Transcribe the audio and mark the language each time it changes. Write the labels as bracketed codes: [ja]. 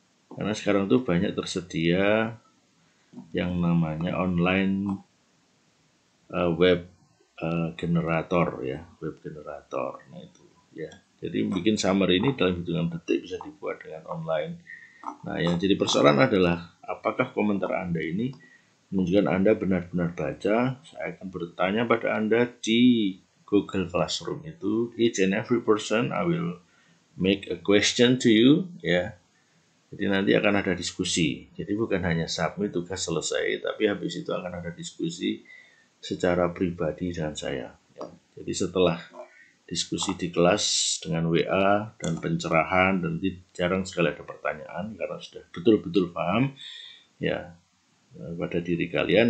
[id] Karena sekarang tuh banyak tersedia yang namanya online web generator, ya, web generator. Nah itu, ya. Jadi bikin summary ini dalam hitungan detik bisa dibuat dengan online. Nah, yang jadi persoalan adalah apakah komentar Anda ini menunjukkan Anda benar-benar baca. Saya akan bertanya pada Anda di Google Classroom itu. [en] Each and every person, I will make a question to you. [id] Ya. Jadi nanti akan ada diskusi. Jadi bukan hanya submit tugas selesai, tapi habis itu akan ada diskusi secara pribadi dengan saya. Ya. Jadi setelah diskusi di kelas dengan WA dan pencerahan, dan jarang sekali ada pertanyaan karena sudah betul-betul paham, ya, pada diri kalian.